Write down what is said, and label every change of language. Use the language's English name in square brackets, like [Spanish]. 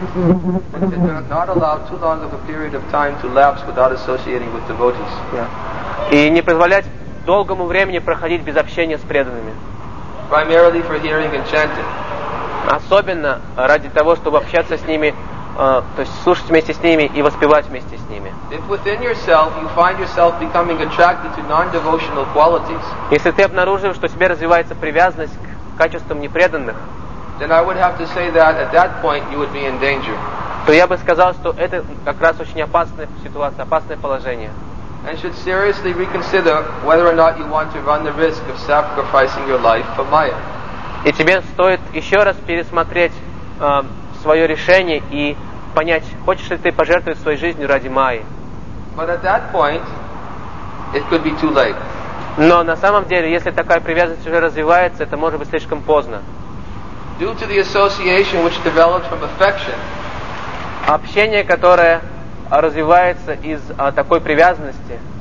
[English] Not allow too long of a period of time to lapse without associating with devotees. [Russian] И не позволять долгому времени проходить без общения с преданными. [English] Primarily for hearing and chanting. [Russian] Особенно ради того, чтобы общаться с ними, то есть слушать вместе с ними и воспевать вместе с ними. [English] If within yourself you find yourself becoming attracted to non-devotional qualities. [Russian] Если ты обнаружил, что в тебе развивается привязанность к качествам непреданных, [English] then I would have to say that at that point you would be in danger. [Russian] То я бы сказал, что это как раз очень опасная ситуация, опасное положение. [English] And should seriously reconsider whether or not you want to run the risk of sacrificing your life for Maya. [Russian] И тебе стоит еще раз пересмотреть свое решение и понять, хочешь ли ты пожертвовать своей жизнью ради Майи. [English] But at that point, it could be too late. [Russian] Но на самом деле, если такая привязанность уже развивается, это может быть слишком поздно. [English] Due to the association which developed from affection, [Russian] общение, которое развивается из такой привязанности,